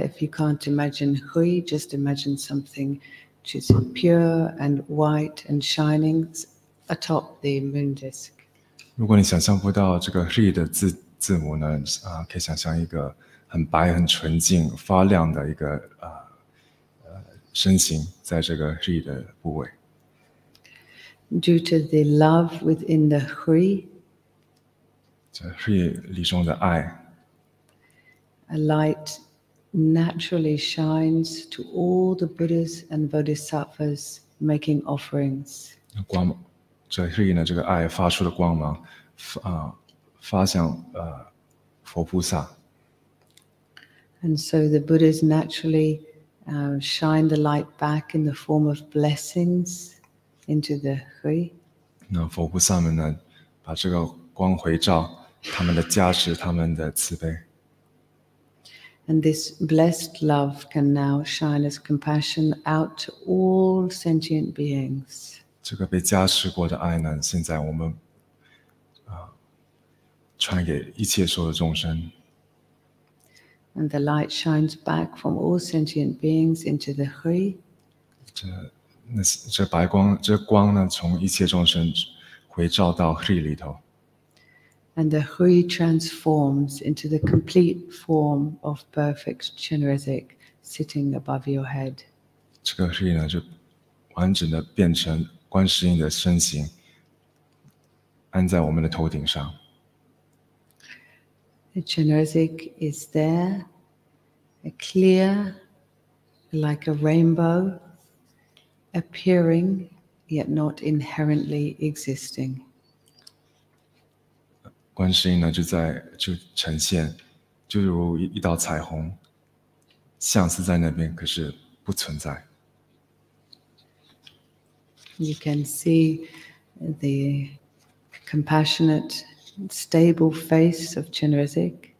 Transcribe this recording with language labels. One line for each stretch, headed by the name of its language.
English: If you can't imagine Hri, just imagine something which is pure and white and shining atop the moon disk.
Chinese: 如果你想象不到这个 Hri 的字母呢，可以想象一个很白、很纯净、发亮的一个身形，在这个 Hri 的部位。
English: Due to the love within the Hri,
Chinese: 这 Hri 里中的爱
English: ，a light naturally shines to all the Buddhas and Bodhisattvas making offerings.
Chinese: 光，这 Hri 呢，这个爱发出的光芒，发向佛菩萨。
English: And so the Buddhas naturally shine the light back in the form of blessings into the Hri.
Chinese: 那佛菩萨们呢，把这个光回照他们的加持，他们的慈悲。
English: And this blessed love can now shine as compassion out to all sentient beings.
Chinese: 这个被加持过的爱呢，现在我们传给一切所有众生。
English: And the light shines back from all sentient beings into the Hri.
Chinese: 这白光，这光呢，从一切众生回照到 Hri 里头。
English: And the Hri transforms into the complete form of perfect Chenrezig sitting above your head.
Chinese: 这个 Hri 呢，就完整的变成观世音的身形，安在我们的头顶上。
English: The Chenrezig is there, a clear, like a rainbow, appearing, yet not inherently existing.
Chinese: 观世音呢，就呈现，就如一道彩虹，像是在那边，可是不存在。
English: You can see the compassionate, stable face of Chinrezig.